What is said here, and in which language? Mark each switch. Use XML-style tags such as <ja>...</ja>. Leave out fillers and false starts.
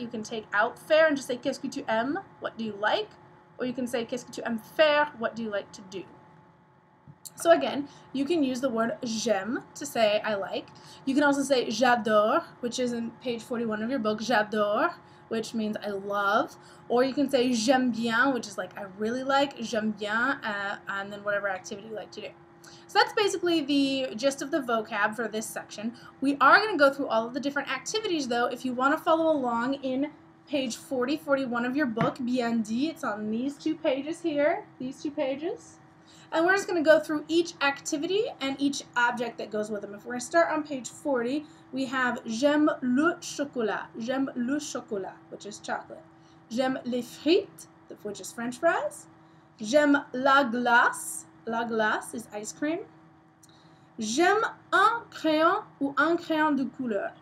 <en>You can take out faire and just say,</en> <fr>qu'est-ce que tu aimes?</fr> <en>What do you like? Or you can say,</en> <fr>qu'est-ce que tu aimes faire?</fr> <en>What do you like to do? So again, you can use the word j'aime to say I like. You can also say j'adore, which is in page 41 of your book, j'adore, which means I love. Or you can say</en> <fr>j'aime bien,</fr> <en>which is like I really like, j'aime bien, and then whatever activity you like to do. So that's basically the gist of the vocab for this section. We are going to go through all of the different activities, though, if you want to follow along in page 40, 41 of your book, Bien dit. It's on these two pages here, these two pages. And we're just going to go through each activity and each object that goes with them. If we're going to start on page 40, we have</en> <fr>j'aime le chocolat,</fr> <en>which is chocolate.</en> <fr>J'aime les frites,</fr> <en>which is French fries.</en> <fr>J'aime la glace</fr> <en>is ice cream.</en> <fr>J'aime un crayon ou un crayon de couleur.</fr>